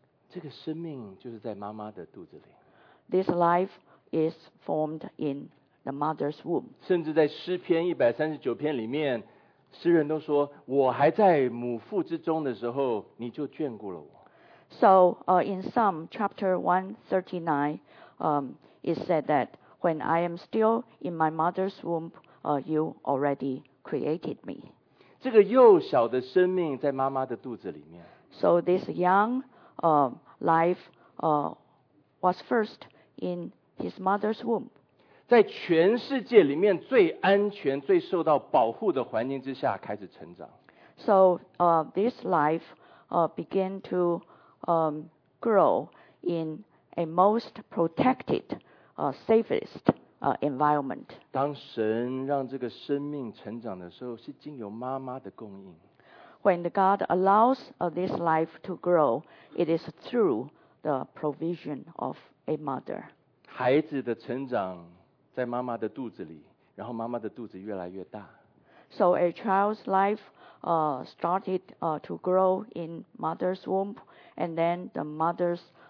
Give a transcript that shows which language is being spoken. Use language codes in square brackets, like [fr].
[zh] 这个生命就是在妈妈的肚子里。 [en] This life is formed in the mother's womb. [zh] 甚至在诗篇139篇里面，诗人都说：“我还在母腹之中的时候，你就眷顾了我。” [en] So in Psalm chapter 139. It said that when I am still in my mother's womb, you already created me. [zh] 这个幼小的生命在妈妈的肚子里面。 [en] So this young life was first in his mother's womb. [zh] 在全世界里面最安全、最受到保护的环境之下开始成长。 [en] So this life began to grow in. A most protected, safest environment. [zh] 当神让这个生命成长的时候，是经由妈妈的供应。 [en] When God allows this life to grow, it is through the provision of a mother. [zh] 孩子的成长在妈妈的肚子里，然后妈妈的肚子越来越大。 [en] So a child's life started to grow in mother's womb, and then the mother's